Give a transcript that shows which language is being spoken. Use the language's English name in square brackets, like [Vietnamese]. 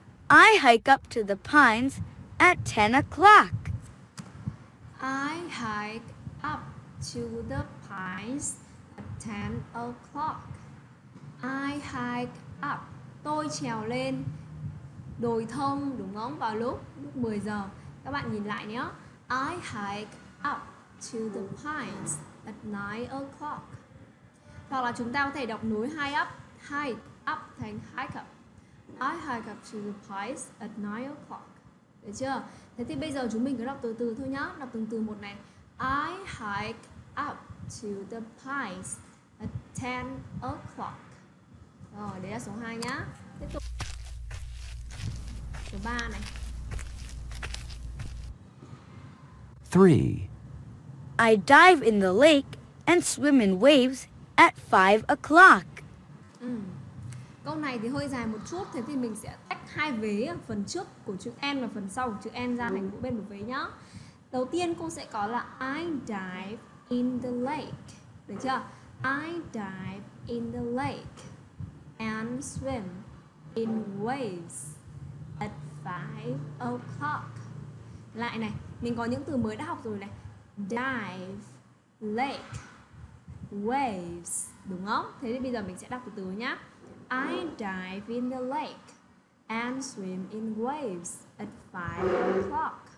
[English] I hike up to the pines at 10 o'clock. I hike up to the pines at 10 o'clock. I hike up. [Vietnamese] Tôi trèo lên đồi thông, đúng không? Vào lúc 10 giờ. Các bạn nhìn lại nhé. [English] I hike up to the pines at 9 o'clock. [Vietnamese] Hoặc là chúng ta có thể đọc nối [English] hike up [Vietnamese] thành hike up. [English] I hike up to the pines at 9 o'clock. [Vietnamese] Được chưa? Thế thì bây giờ chúng mình cứ đọc từ từ thôi nhá. Đọc từng từ một này. [English] I hike up to the pines at 10 o'clock. [Vietnamese] Rồi, đấy là số 2 nhá. Tiếp tục. Số 3 này. 3. [English] I dive in the lake and swim in waves at 5 o'clock. [Vietnamese] Câu này thì hơi dài một chút, thế thì mình sẽ tách hai vế phần trước của chữ N và phần sau của chữ N ra thành mỗi bên một vế nhá. Đầu tiên cô sẽ có là [English] I dive in the lake. [Vietnamese] Được chưa? [English] I dive in the lake and swim in waves at 5 o'clock. [Vietnamese] Lại này, mình có những từ mới đã học rồi này. Dive, lake, waves. Đúng không? Thế thì bây giờ mình sẽ đọc từ từ nhá. [English] I dive in the lake and swim in waves at 5 o'clock.